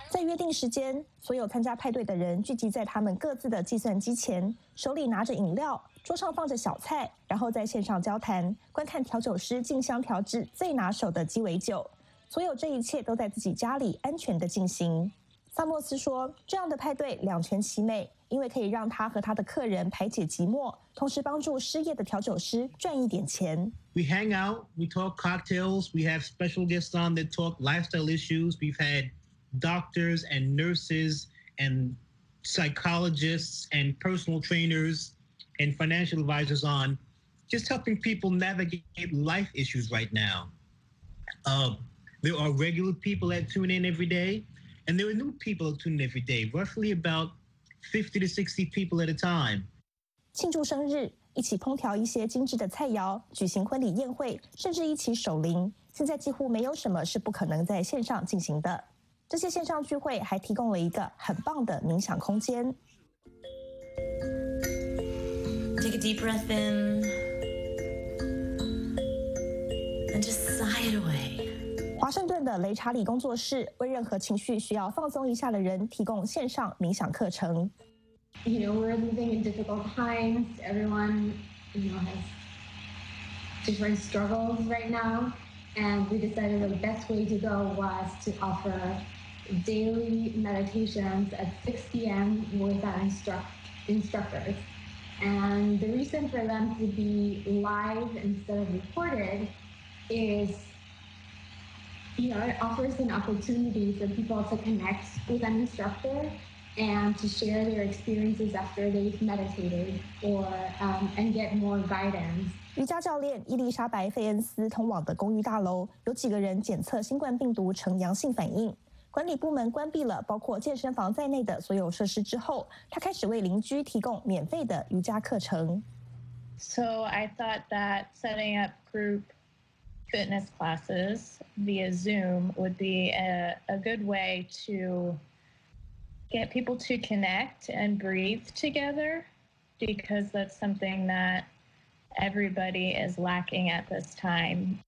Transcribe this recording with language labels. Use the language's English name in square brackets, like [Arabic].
[Chinese] 在约定时间，所有参加派对的人聚集在他们各自的计算机前，手里拿着饮料，桌上放着小菜，然后在线上交谈，观看调酒师竞相调制最拿手的鸡尾酒。所有这一切都在自己家里安全的进行。萨默斯说，这样的派对两全其美，因为可以让他和他的客人排解寂寞，同时帮助失业的调酒师赚一点钱。 [English] We hang out, we talk cocktails, we have special guests on that talk lifestyle issues. We've had doctors and nurses and psychologists and personal trainers and financial advisors on, just helping people navigate life issues right now. There are regular people that tune in every day. And there are new people tuning every day, roughly about 50 to 60 people at a time. [Chinese] 庆祝生日，一起烹调一些精致的菜肴，举行婚礼宴会，甚至一起守灵。现在几乎没有什么是不可能在线上进行的。这些线上聚会还提供了一个很棒的冥想空间。 [English] Take a deep breath in. And just sigh it away. [Chinese] 华盛顿的雷查理工作室为任何情绪需要放松一下的人提供线上冥想课程。 [English] You know, we're living in difficult times. Everyone, you know, has different struggles right now. And we decided the best way to go was to offer daily meditations at 6 p.m. with our instructors. And the reason for them to be live instead of recorded is. It offers an opportunity for people to connect with an instructor and to share their experiences after they've meditated and get more guidance. [Chinese] 瑜伽教练伊丽莎白·费恩斯通往的公寓大楼有几个人检测新冠病毒呈阳性反应。管理部门关闭了包括健身房在内的所有设施之后，他开始为邻居提供免费的瑜伽课程。 [English] So I thought that setting up group fitness classes via Zoom would be a good way to get people to connect and breathe together because that's something that everybody is lacking at this time.